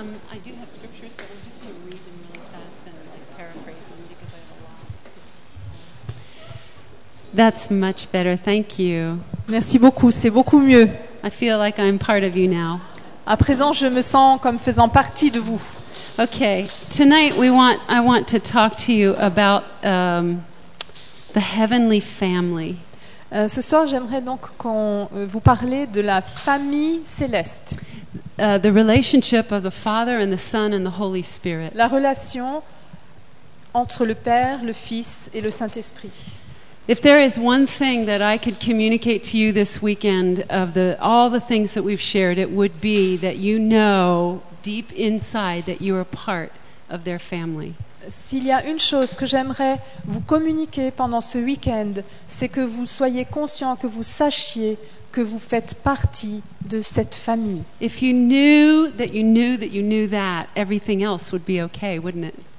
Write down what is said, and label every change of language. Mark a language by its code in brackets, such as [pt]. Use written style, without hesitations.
[en] I do have scriptures, but I'm just going to read them really fast and like, paraphrase them because I have a lot. That's much better. Thank you. [fr] Merci beaucoup. C'est beaucoup mieux. [en] I feel like I'm part of you now. [fr] À présent, je me sens comme faisant partie de vous. [en] Okay, tonight I want to talk to you about the heavenly family. [fr] Ce soir, j'aimerais donc qu'on vous parle de la famille céleste. [en] The relationship of the Father and the Son and the Holy Spirit. [fr] La relation entre le Père, le Fils et le Saint-Esprit. [en] If there is one thing that I could communicate to you this weekend of the all the things that we've shared, it would be that you know deep inside that you are part of their family. [fr] S'il y a une chose que j'aimerais vous communiquer pendant ce week-end, c'est que vous soyez conscient, que vous sachiez que vous faites partie de cette famille. [en] If you knew that you knew that you knew that, everything else would be okay, wouldn't it?